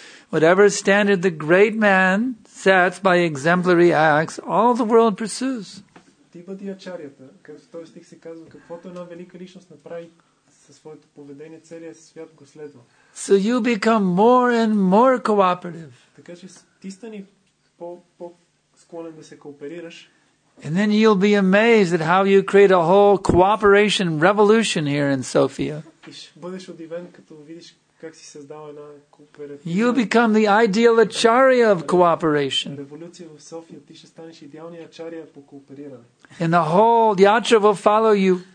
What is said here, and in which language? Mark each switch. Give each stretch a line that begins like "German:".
English: Whatever standard the great man sets by exemplary acts, all the world pursues.
Bulgarian: ти бъди ачарията, като този стих се казва, каквото една велика личност направи със своето поведение, целият свят го следва.
English: So you become more and more cooperative.
Bulgarian: Така че ти стани по склонен да се кооперираш.
English: And then you'll be amazed at how you create a whole cooperation revolution here in Sofia.
Bulgarian: Бъдеш удивен, като видиш как си създава една кооперативна.
English: You become the ideal acharya of cooperation.
Bulgarian: Революция в София, ти ще станеш идеалният ачария по коопериране.
English: And the whole yatra will follow you.